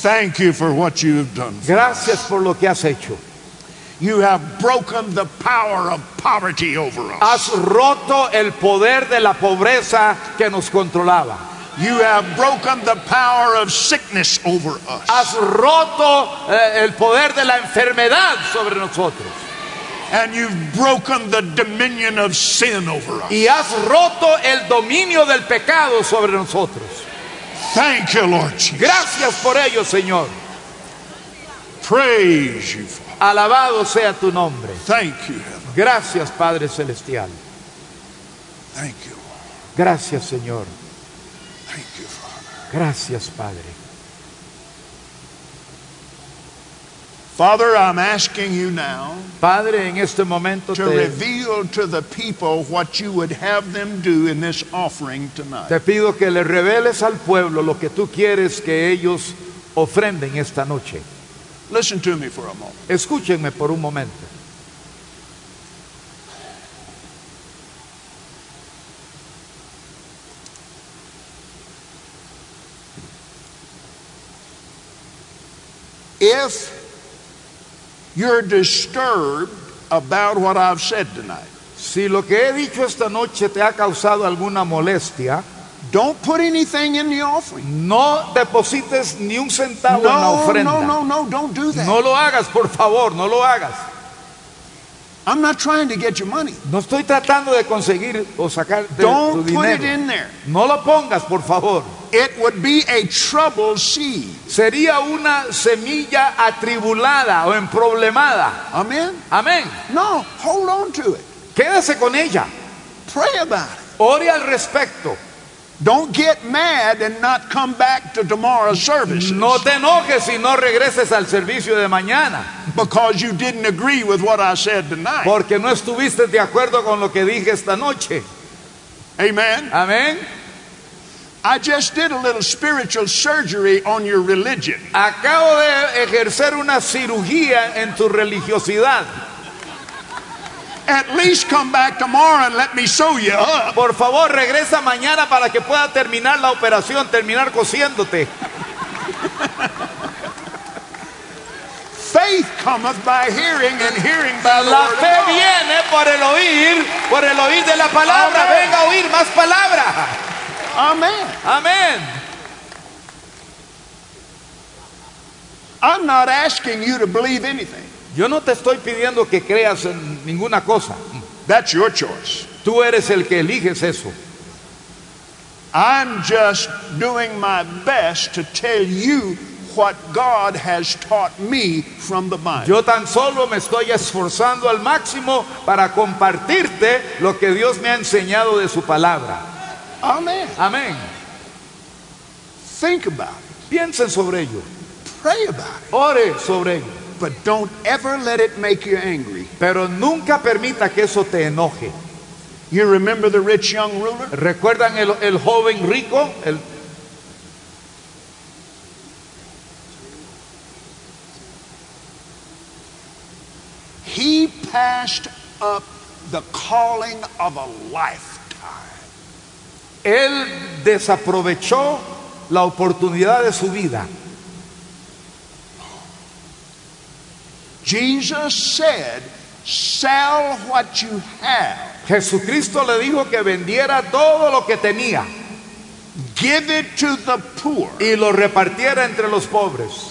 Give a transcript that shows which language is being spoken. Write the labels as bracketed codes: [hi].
[en] Thank you for what you've done. [es] Gracias [en] for [es] por lo que has hecho. [en] You have broken the power of poverty over us. [es] Has roto el poder de la pobreza que nos controlaba. [en] You have broken the power of sickness over us. [es] Has roto el poder de la enfermedad sobre nosotros. [en] And you've broken the dominion of sin over us. [es] Y has roto el dominio del pecado sobre nosotros. [en] Thank you, Lord Jesus. [es] Gracias por ello, Señor. [en] Praise you, Father. [es] Alabado sea tu nombre. [en] Thank you, Heaven. [es] Gracias, Padre Celestial. [en] Thank you. [es] Gracias, Señor. [en] Thank you, Father. [es] Gracias, Padre. [en] Father, I'm asking you now, [es] Padre, en este momento [en] to reveal to the people what you would have them do in this offering tonight. [es] Te pido que le reveles al pueblo lo que tú quieres que ellos ofrenden esta noche. [en] Listen to me for a moment. [es] Escúchenme por un momento. [en] If you're disturbed about what I've said tonight, [es] si lo que he dicho esta noche te ha causado alguna molestia, [en] don't put anything in the offering. [es] No deposites ni un centavo en la ofrenda. [en] No, don't do that. [es] No lo hagas, por favor, no lo hagas. [en] I'm not trying to get your money. [es] No estoy tratando de conseguir o sacar tu dinero. [en] Don't put it in there. [es] No lo pongas, por favor. [en] It would be a trouble seed. [es] Sería una semilla atribulada o emproblemada. Amen. Amen. [en] No, hold on to it. [es] Quédese con ella. [en] Pray about it. [es] Ore al respecto. [en] Don't get mad and not come back to tomorrow's service. [es] No te enojes y no regreses al servicio de mañana. [en] Because you didn't agree with what I said tonight. [es] Porque no estuviste de acuerdo con lo que dije esta noche. Amen. Amen. [en] I just did a little spiritual surgery on your religion. [es] Acabo de ejercer una cirugía en tu religiosidad. [en] At least come back tomorrow and let me sew you up. [es] Por favor, regresa mañana para que pueda terminar la operación, terminar cosiéndote. [en] Faith cometh by hearing, and hearing by the [es] la [en] word. [es] La fe viene por el oír de la palabra. Amen. Venga a oír más palabra. Amen. Amen. [en] I'm not asking you to believe anything. [es] Yo no te estoy pidiendo que creas en ninguna cosa. [en] That's your choice. [es] Tú eres el que eliges eso. [en] I'm just doing my best to tell you what God has taught me from the Bible. [es] Yo tan solo me estoy esforzando al máximo para compartirte lo que Dios me ha enseñado de su palabra. Amen. Amen. [en] Think about it. [es] Piensen sobre ello. [en] Pray about it. [es] Ore sobre ello. [en] But don't ever let it make you angry. [es] Pero nunca permita que eso te enoje. [en] You remember the rich young ruler? [es] ¿Recuerdan el joven rico? [en] He passed up the calling of a lifetime. [es] Él desaprovechó la oportunidad de su vida. [en] Jesus said, "Sell what you have." [es] Jesucristo le dijo que vendiera todo lo que tenía. [en] Give it to the poor. [es] Y lo repartiera entre los pobres.